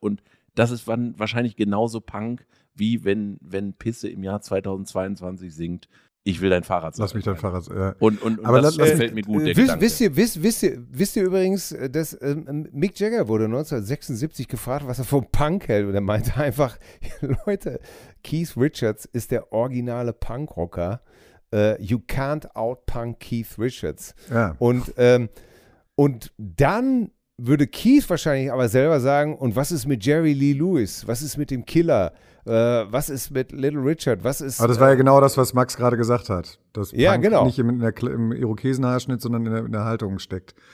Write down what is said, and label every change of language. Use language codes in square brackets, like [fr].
[de] Und das ist wahrscheinlich genauso Punk, wie wenn Pisse im Jahr 2022 singt: "Ich will dein Fahrrad sein." Lass mich dein Fahrrad sein. Das fällt mir gut, der Gedanke. Wisst ihr übrigens, dass Mick Jagger wurde 1976 gefragt, was er vom Punk hält. Und er meinte einfach: "Leute, Keith Richards ist der originale Punkrocker. [en] You can't out-punk Keith Richards." [de] Ja. Und dann würde Keith wahrscheinlich aber selber sagen, und was ist mit Jerry Lee Lewis? Was ist mit dem Killer? Was ist mit Little Richard? Was ist? Aber das war ja genau das, was Max gerade gesagt hat. Dass ja, Punk genau. Nicht im Irokesenhaarschnitt, sondern in der Haltung steckt.